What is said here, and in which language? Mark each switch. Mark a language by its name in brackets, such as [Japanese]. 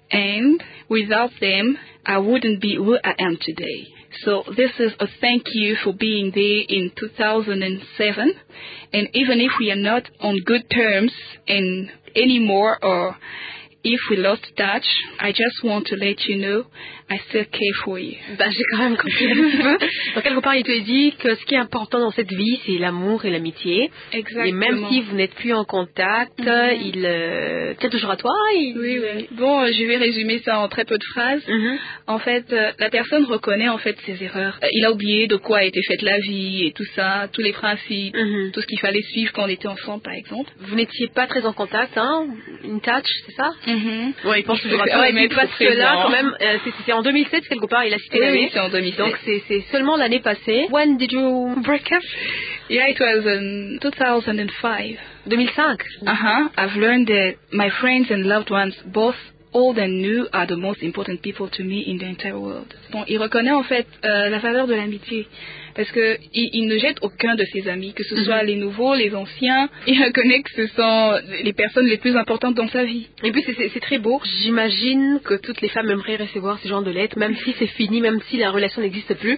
[English] And without them, I wouldn't be who I am today. So this is a thank you for being there in 2007. And even if we are not on good terms and anymore, or if we lost touch, I just want to let you know, I still care for you. [French] Bah, j'ai quand même compris. Donc, quelque part, il te dit que ce qui est important dans cette vie, c'est l'amour et l'amitié. Exactement. Et même si vous n'êtes plus en contact, mm-hmm. il tient toujours à toi. Oui. Bon, je vais résumer ça en très peu de phrases. Mm-hmm. En fait, la personne reconnaît en fait ses erreurs. Il a oublié de quoi a été faite la vie et tout ça, tous les principes, mm-hmm. tout ce qu'il fallait suivre quand on était ensemble, par exemple. Vous n'étiez pas très en contact, hein? Une touch, c'est ça? Mm-hmm. Oui, il pense toujours à toi. Ouais, mais parce que là, quand même, c'est en 2007, quelque part, il a cité l'année. Oui, c'est en 2007. Donc, c'est seulement l'année passée. [English] When did you break up? Yeah, it was in 2005. 2005? Uh-huh. I've learned that my friends and loved ones, both old and new, are the most important people to me in the entire world. [French] Bon, il reconnaît en fait la valeur de l'amitié. Parce qu'il ne jette aucun de ses amis, que ce soit mm-hmm. les nouveaux, les anciens. Il reconnaît que ce sont les personnes les plus importantes dans sa vie. Et puis c'est très beau. J'imagine que toutes les femmes aimeraient recevoir ce genre de lettres, même si c'est fini, même si la relation n'existe plus.